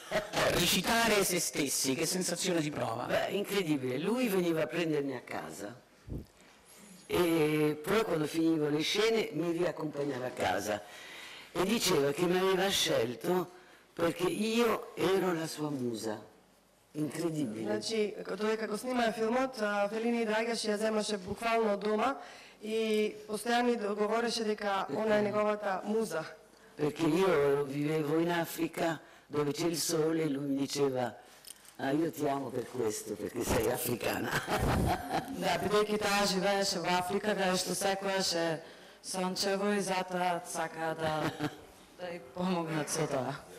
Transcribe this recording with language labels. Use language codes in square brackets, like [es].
[it] A recitare se stessi, che sensazione si prova? Beh, incredibile. Lui veniva a prendermi a casa. E poi quando finivo le scene mi riaccompagnava a casa. E diceva che mi aveva scelto perché io ero la sua musa. Incredibile. [mk] Значи, додека го снима филмот, Фелини драгаше ја земаше буквално дома и постојано говореше дека она е неговата муза. [it] Perché io vivevo in Africa dove c'è il sole e lui mi diceva "Ah, io ti amo per questo, perché sei africana". [mk] Да, бидејќи таа живееше во Африка, каде што секогаш е сончево и затоа сака да ѝ помогнат со тоа.